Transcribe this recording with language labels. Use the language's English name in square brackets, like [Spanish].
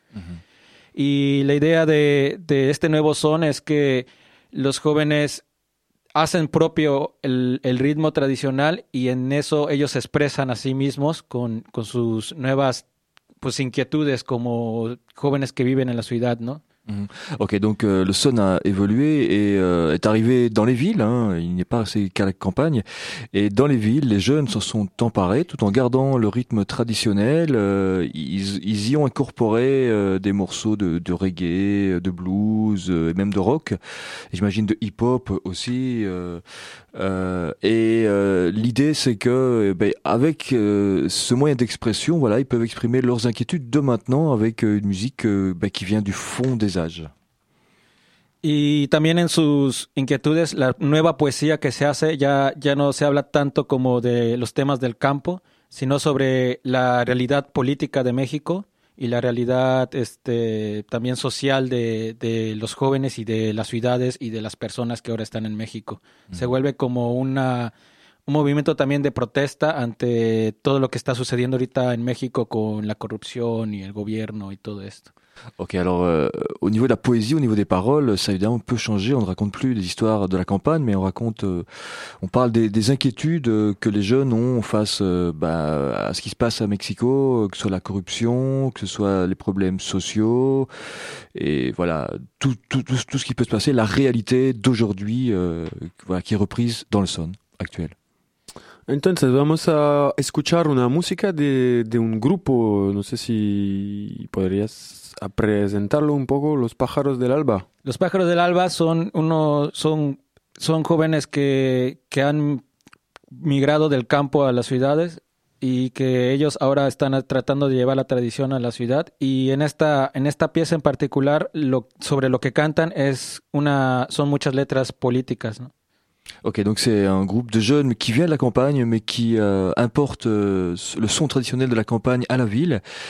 [Spanish] Uh-huh. Y la idea de este nuevo son es que los jóvenes hacen propio el ritmo tradicional y en eso ellos se expresan a sí mismos con sus nuevas inquietudes como jóvenes que viven en la ciudad, ¿no? [French] Ok, donc le son a évolué et est arrivé dans les villes, hein, il n'est pas resté qu'à la campagne. Et dans les villes, les jeunes s'en sont emparés tout en gardant le rythme traditionnel. Ils y ont incorporé des morceaux de reggae, de blues et même de rock. Et j'imagine de hip-hop aussi. L'idée, c'est que avec ce moyen d'expression, voilà, ils peuvent exprimer leurs inquiétudes de maintenant avec une musique qui vient du fond des âges. [Spanish] Y también en sus inquietudes, la nueva poesía que se hace ya no se habla tanto como de los temas del campo, sino sobre la realidad política de México y la realidad también social de los jóvenes y de las ciudades y de las personas que ahora están en México. Se vuelve como un movimiento también de protesta ante todo lo que está sucediendo ahorita en México con la corrupción y el gobierno y todo esto. [French] Ok, alors au niveau de la poésie, au niveau des paroles, ça évidemment peut changer. On ne raconte plus des histoires de la campagne, mais on parle des inquiétudes que les jeunes ont face à ce qui se passe à Mexico, que ce soit la corruption, que ce soit les problèmes sociaux, et voilà, tout ce qui peut se passer, la réalité d'aujourd'hui qui est reprise dans le son actuel. [Spanish] Entonces vamos a escuchar una música de un grupo, no sé si podrías presentarlo un poco, Los Pájaros del Alba. Los Pájaros del Alba son jóvenes que han migrado del campo a las ciudades y que ellos ahora están tratando de llevar la tradición a la ciudad. Y en esta pieza en particular, sobre lo que cantan son muchas letras políticas, ¿no? [French] Ok, donc c'est un groupe de jeunes qui vient de la campagne, mais qui importe le son traditionnel de la campagne à la ville.